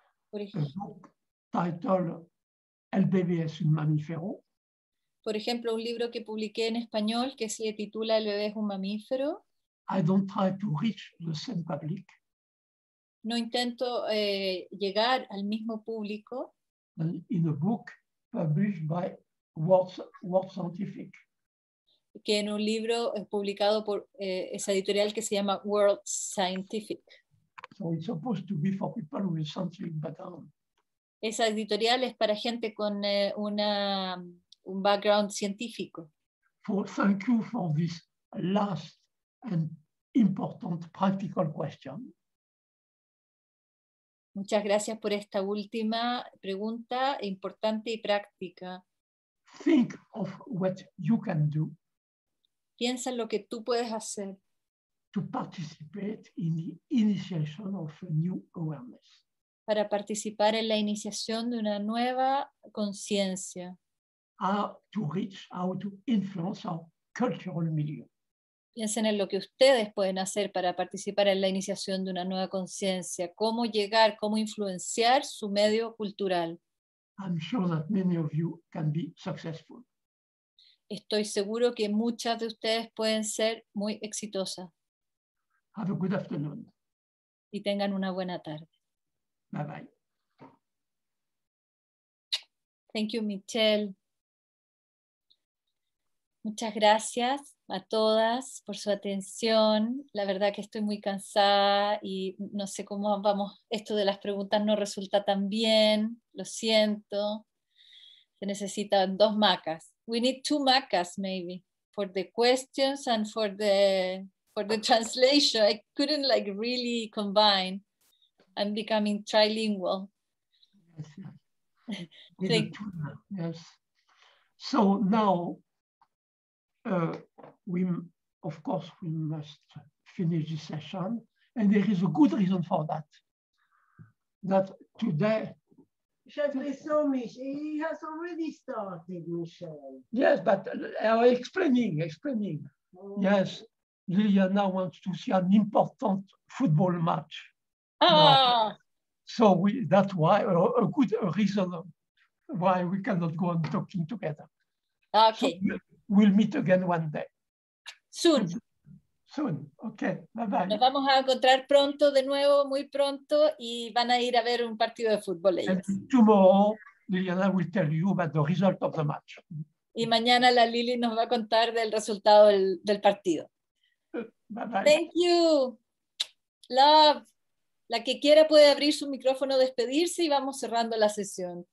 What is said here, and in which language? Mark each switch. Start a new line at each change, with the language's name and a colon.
Spanish: por ejemplo,
English: a book titled El bebé es un mamífero.
Spanish: Por ejemplo, un libro que publiqué en español que se titula El bebé es un mamífero.
English: I don't try to reach the same public.
Spanish: No intento llegar al mismo público.
English: And in a book published by World Scientific.
Spanish: Que en un libro publicado por esa editorial que se llama World Scientific.
English: So it's supposed to be for people with scientific background.
Spanish: Esa editorial es para gente con un background científico.
English: Thank you for this last and important practical question.
Spanish: Muchas gracias por esta última pregunta importante y práctica.
English: Think of what you can do.
Spanish: Piensa en lo que tú puedes hacer.
English: To participate in the initiation of a new awareness.
Spanish: Para participar en la iniciación de una nueva conciencia.
English: How to influence our cultural milieu.
Spanish: Piensen en lo que ustedes pueden hacer para participar en la iniciación de una nueva conciencia. Cómo llegar, cómo influenciar su medio cultural.
English: I'm sure that many of you can be successful.
Spanish: Estoy seguro que muchas de ustedes pueden ser muy exitosas.
English: Have a good afternoon.
Spanish: Y tengan una buena tarde.
English: Bye bye. Thank you, Michelle.
Spanish: Muchas gracias a todas por su atención. La verdad que estoy muy cansada y no sé cómo vamos. Esto de las preguntas no resulta tan bien. Lo siento. Se necesitan dos macas.
English: We need two macas, maybe, for the questions and for the translation. I couldn't like really combine. I'm becoming trilingual. Yes, yes. Yes. So now, we must finish this session. And there is a good reason for that. That today... Jeffrey saw me. He has already started, Michelle. Yes, but explaining. Oh. Yes, Liliana wants to see an important football match. So that's a good reason why we cannot go on talking together. Okay. So we'll meet again one day. Soon. Soon. Okay. Bye bye.
Spanish: Nos vamos a encontrar pronto, de nuevo, muy pronto, y van a ir a ver un partido de fútbol ellos.
English: And tomorrow, Liliana will tell you about the result of the match.
Spanish: Y mañana la Lili nos va a contar del resultado del partido.
English: Bye bye. Thank you. Love.
Spanish: La que quiera puede abrir su micrófono, despedirse y vamos cerrando la sesión.